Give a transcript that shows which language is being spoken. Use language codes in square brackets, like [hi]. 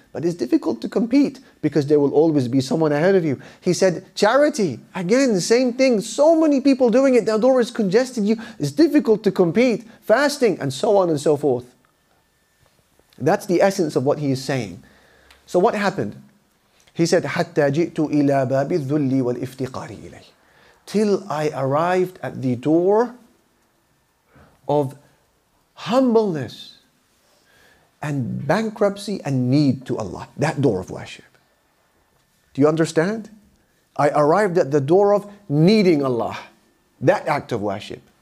[en] But it's difficult to compete because there will always be someone ahead of you. He said, charity, again, same thing. So many people doing it, the door is congested. It's difficult to compete. Fasting, and so on and so forth. That's the essence of what he is saying. So what happened? He said, [ar] حَتَّى جِئْتُ إِلَىٰ بَابِ الذُّلِّ وَالْإِفْتِقَارِ إِلَيْهِ. [en] Till I arrived at the door of humbleness and bankruptcy and need to Allah. That door of worship. Do you understand? I arrived at the door of needing Allah. That act of worship.